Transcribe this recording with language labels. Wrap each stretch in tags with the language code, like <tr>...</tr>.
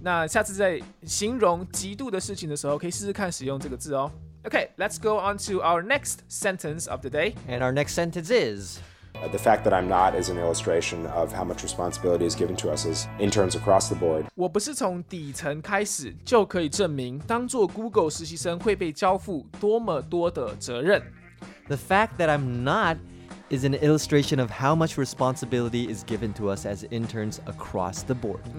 <zh>那下次在形容极度的事情的时候，可以试试看使用这个字哦。</zh> <en>Okay, let's go on to our next sentence of the day. And our next sentence is... The fact that I'm not is an illustration of how much responsibility is given to us as interns across the board.</en> <zh>我不是从底层开始就可以证明当做 Google 实习生会被交付多么多的责任。</zh> <en>The fact that I'm not is an illustration of how much responsibility is given to us as interns across the board.</en>